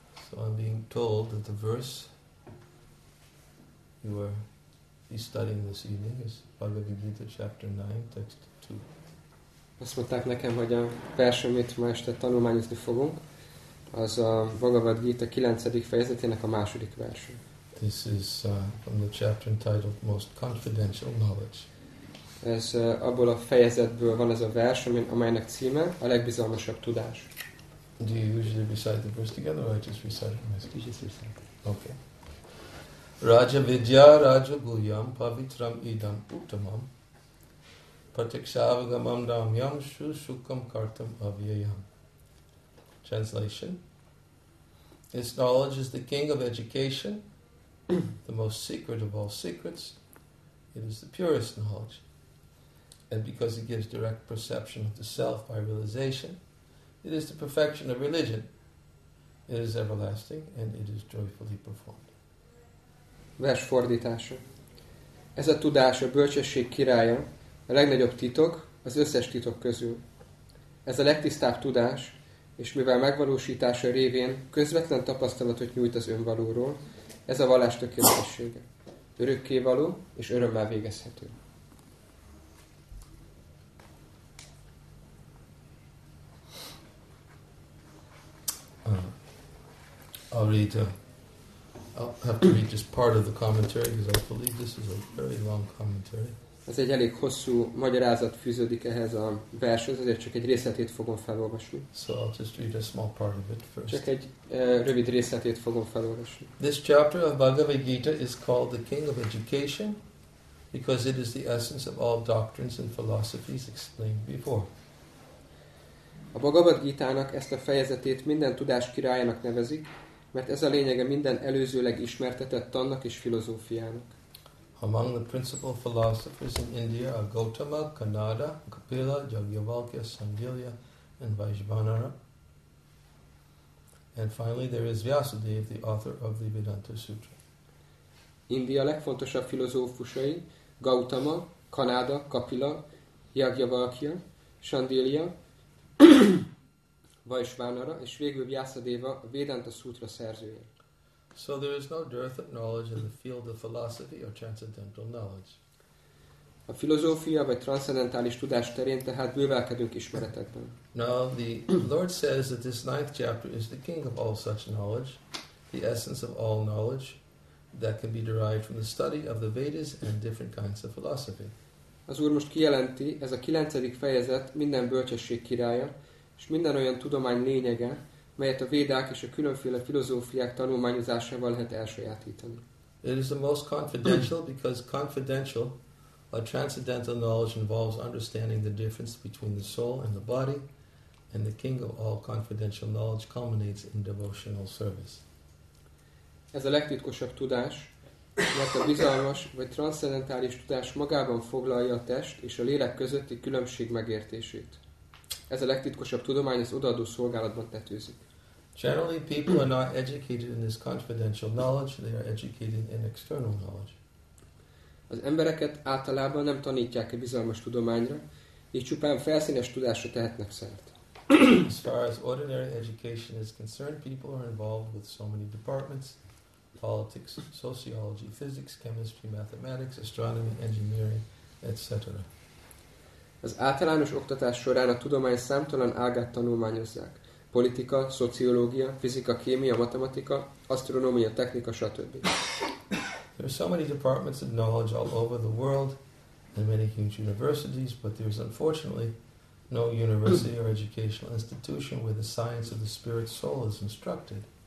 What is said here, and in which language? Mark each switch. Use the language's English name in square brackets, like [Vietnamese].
[English] So I'm being told that the verse you are studying this evening is Bhagavad Gita chapter 9, text 2. [Hungarian] Azt mondták nekem, hogy a vers, amit ma este tanulmányozni fogunk, az a Bhagavad Gita 9. fejezetének a második verse. [English] This is from the chapter entitled Most Confidential Knowledge. [Hungarian] Ez abból a fejezetből van ez a vers, amelynek címe a legbizalmasabb tudás. [English] Do you usually recite the verse together, or I just recite it myself? Just recite it. [Sanskrit] Okay. Raja vidya raja guyam pavitram idam uttamam pratyakshavagamam damyam shushukam kartam avyayam. [English] Translation: this knowledge is the king of education, the most secret of all secrets. It is the purest knowledge, and because it gives direct perception of the self by realization, it is the perfection of religion. It is everlasting, and it is joyfully performed. [Hungarian] Vers fordítása. Ez a tudás a bölcsesség királya, a legnagyobb titok, az összes titok közül. Ez a legtisztább tudás, és mivel megvalósítása révén közvetlen tapasztalatot nyújt az önvalóról, ez a vallás tökéletessége. Örökkévaló és örömmel végezhető. [English] I'll have to read just part of the commentary because I believe this is a very long commentary. [Hungarian] Ez egy elég hosszú magyarázat fűződik ehhez a vershez, ezért csak egy részletét fogom felolvasni. [English] So I'll just read a small part of it first. [Hungarian] Csak egy rövid részletét fogom felolvasni. [English] This chapter of Bhagavad Gita is called the King of Education because it is the essence of all doctrines and philosophies explained before. [Hungarian] A Bhagavad Gita-nak ezt a fejezetét minden tudás királyának nevezik, mert ez a lényege minden előzőleg ismertetett tannak és filozófiának. [English] Among the principal philosophers in India are Gautama, Kanada, Kapila, Yajnavalkya, Sangilya, and Vaishvanara. And finally there is Vyasadeva, the author of the Vedanta Sutra. [Hungarian] India legfontosabb filozófusai Gautama, Kanada, Kapila, Yajnavalkya, Sangilya, Vaishvanara, és végül Vyasadeva, a Vedanta Sutra szerzője. [English] So there is no dearth of knowledge in the field of philosophy or transcendental knowledge. [Hungarian] A filozófia vagy transzendentális tudás terén tehát bővelkedünk ismeretekben. [English] Now the Lord says that this ninth chapter is the king of all such knowledge, the essence of all knowledge that can be derived from the study of the Vedas and different kinds of philosophy. [Hungarian] Az Úr most kijelenti, ez a 9. fejezet minden bölcsesség királya, és minden olyan tudomány lényege, melyet a védák és a különféle filozófiák tanulmányozásával lehet elsajátítani. [English] It is the most confidential because confidential, a transcendental knowledge involves understanding the difference between the soul and the body, and the king of all confidential knowledge culminates in devotional service. [Hungarian] Ez a legtitkosabb tudás, mert a bizalmas vagy transzcendentális tudás magában foglalja a test és a lélek közötti különbség megértését. Ez a legtitkosabb tudomány az odaadó szolgálatban tetőzik. [English] Generally, people are not educated in this confidential knowledge, they are educated in external knowledge. [Hungarian] Az embereket általában nem tanítják a bizalmas tudományra, így csupán felszínes tudásra tehetnek szert. [English] As far as ordinary education is concerned, people are involved with so many departments: politics, sociology, physics, chemistry, mathematics, astronomy, engineering, etc. [Hungarian] Az általános oktatás során a tudomány számtalan ágát tanulmányozzák. Politika, szociológia, fizika, kémia, matematika, asztronómia, technika, stb. [English] There are so many departments of knowledge all over the world and many huge universities, but there is unfortunately no university or educational institution where the science of the spirit soul is instructed.